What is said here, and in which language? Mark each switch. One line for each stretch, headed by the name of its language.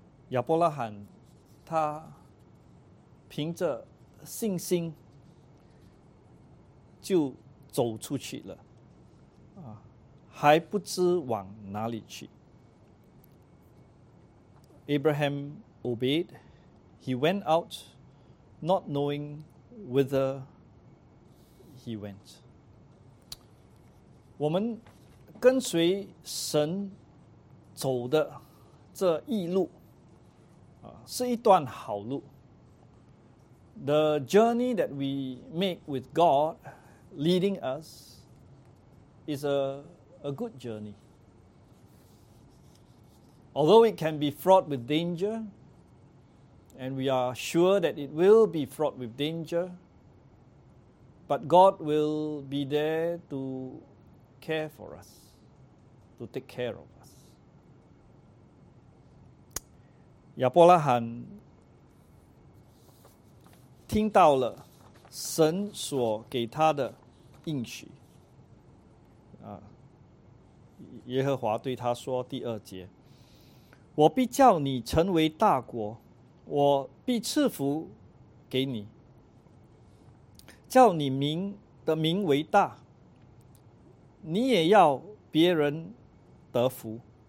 Chinese: 亚伯拉罕他凭着信心就走出去了还不知往哪里去。
English: Abraham obeyed, he went out not knowing whither he went. 我们跟随神走的这一路是一段好路。 The journey that we make with God leading us is a good journey. Although it can be fraught with danger, and we are sure that it will be fraught with danger, but God will be there to care for us, to take care of us.
Chinese: 亚伯拉罕听到了神所给他的应许耶和华对他说，第二节，我必叫你成为大国，我必赐福给你，叫你名的名为大，你也要别人得福。